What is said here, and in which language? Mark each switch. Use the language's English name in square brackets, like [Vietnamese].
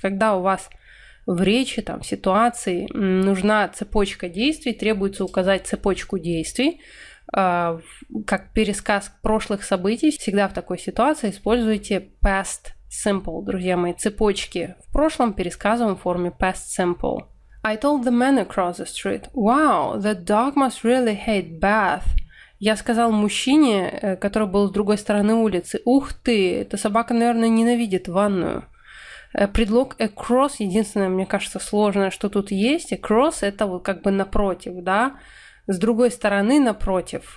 [Russian] Когда у вас в речи, там, в ситуации нужна цепочка действий, требуется указать цепочку действий, как пересказ прошлых событий, всегда в такой ситуации используйте past simple, друзья мои, цепочки в прошлом пересказываем в форме past simple. [English] I told the man across the street, wow, the dog must really hate bath. [Russian] Я сказал мужчине, который был с другой стороны улицы, ух ты, эта собака, наверное, ненавидит ванную. Предлог across, единственное, мне кажется, сложное, что тут есть, across — это вот как бы напротив, да, с другой стороны напротив.